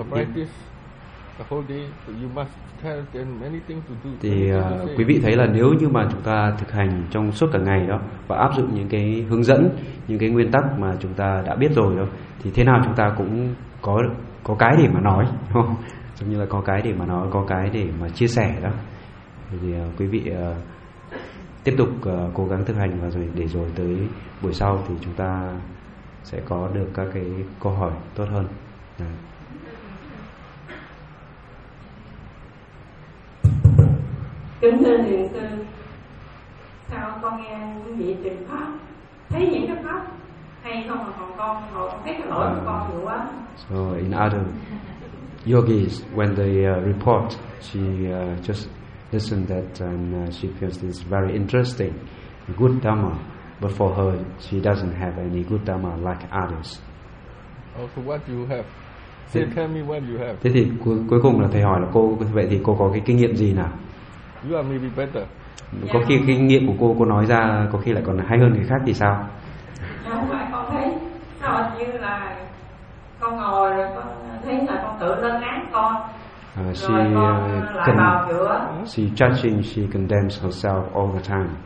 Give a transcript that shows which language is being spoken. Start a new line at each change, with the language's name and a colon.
English: The whole day, you must tell them many things to do.
Vietnamese: Thì quý vị thấy là nếu như mà chúng ta thực hành trong suốt cả ngày đó và áp dụng những cái hướng dẫn, những cái nguyên tắc mà chúng ta đã biết rồi đó, thì thế nào chúng ta cũng có cái để mà nói, đúng không? Giống như là có cái để mà nói, có cái để mà chia sẻ đó. Thì quý vị tiếp tục cố gắng thực hành, và rồi để rồi tới buổi sau thì chúng ta sẽ có được các cái câu hỏi tốt hơn. Kính thưa thiền sư, sao con nghe vị trình pháp thấy những cái pháp hay không, mà còn con hỏi thấy cái lỗi của con nhiều quá.
English: So in other yogis, when they report, she just listen that and she feels this very interesting, good dharma. But for her, she doesn't have any good dharma like others. Also, what you have? Thế, tell me what you have.
Vietnamese: Thế thì cuối cùng là thầy hỏi là cô vậy thì cô có cái kinh nghiệm gì nào?
English: You are maybe better.
Vietnamese: Có yeah. khi kinh nghiệm của cô nói ra có khi lại còn hay hơn người khác thì sao? Không phải con thấy sao như là con ngồi rồi con thấy là con tự lên án con.
English: She judging, she condemns herself all the time.